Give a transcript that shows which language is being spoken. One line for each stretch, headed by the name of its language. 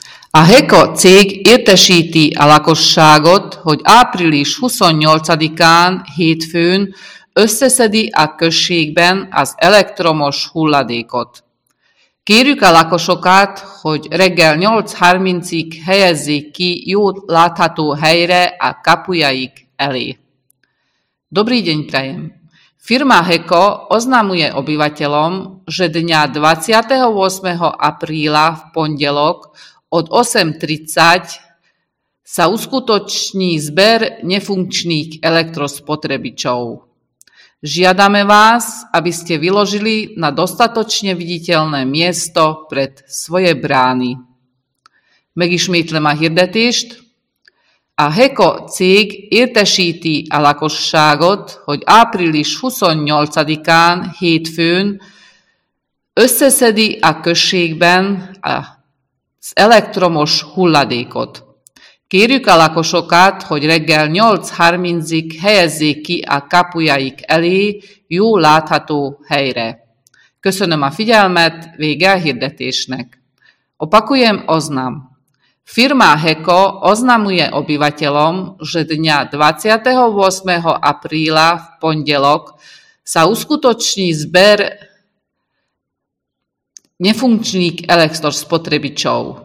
Hungarian: A Heko cég értesíti a lakosságot, hogy április 28-án hétfőn összeszedi a községben az elektromos hulladékot. Kérjük a lakosokat, hogy reggel 8.30-ig helyezzék ki jó látható helyre a kapujaik elé.
Slovak: Dobrý deň prajem. Firma Heko oznamuje obyvateľom, že dňa 28. apríla v pondelok od 8.30 sa uskutoční zber nefunkčných elektrospotrebičov. Žiadame vás, aby ste vyložili na dostatočne viditeľné miesto pred svoje brány.
Hungarian: Megismétlem a hirdetést. A Heko cég értesíti a lakosságot, hogy április 28-án hétfőn összeszedi a községben az elektromos hulladékot. Kérjük a lakosokat, hogy reggel 8.30-ig helyezzék ki a kapujaik elé jó látható helyre. Köszönöm a figyelmet, vége a hirdetésnek.
Slovak: Opakujem oznam. Firma Heko oznamuje obyvateľom, že dňa 28. apríla v pondelok sa uskutoční zber nefunkčných elektrospotrebičov.